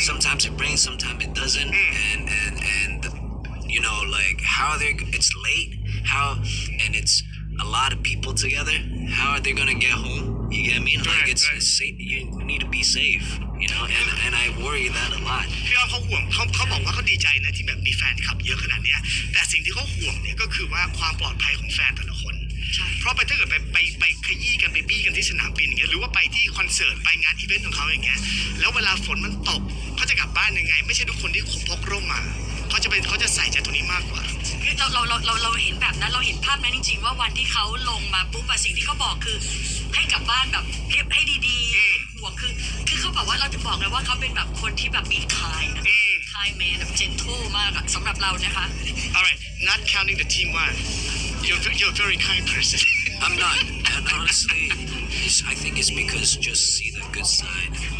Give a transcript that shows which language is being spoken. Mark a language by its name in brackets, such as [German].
[English] Sometimes it rains, sometimes it doesn't. Mm. And you know, like, how are they, it's late, and it's a lot of people together. How are they gonna get home? You get me? Like, right, it's right. Safe. You need to be safe, you know? And I worry that a lot. [Thai] พี่อ้อมเขาห่วงเขาบอกว่าเขาดีใจนะที่แบบมีแฟนคลับเยอะขนาดนี้แต่สิ่งที่เขาห่วงเนี่ยก็คือว่าความปลอดภัยของแฟนแต่ละคนเพราะไปถ้าเกิดไปขยี้กันไปบี้กันที่สนามบินอย่างเงี้ยหรือว่าไปที่คอนเสิร์ตไปงานอีเวนต์ของเขาอย่างเงี้ยแล้วเวลาฝนมันตกเขาจะกลับบ้านยังไงไม่ใช่ทุกคนที่พกร่มมาเขาจะใส่ใจตรงนี้มากกว่า คือเราเห็นแบบนั้นเราเห็นภาพนั้นจริงๆว่าวันที่เขาลงมาปุ๊บสิ่งที่เขาบอกคือให้กลับบ้านแบบเก็บให้ดีๆห่วงคือเขาบอกว่าเราถึงบอกเลยว่าเขาเป็นแบบคนที่แบบมีคายแมนแบบเจนทูลมากสำหรับเรานะคะ [English] alright not counting the team one you're a very kind person I'm not and honestly I think it's because just see the good side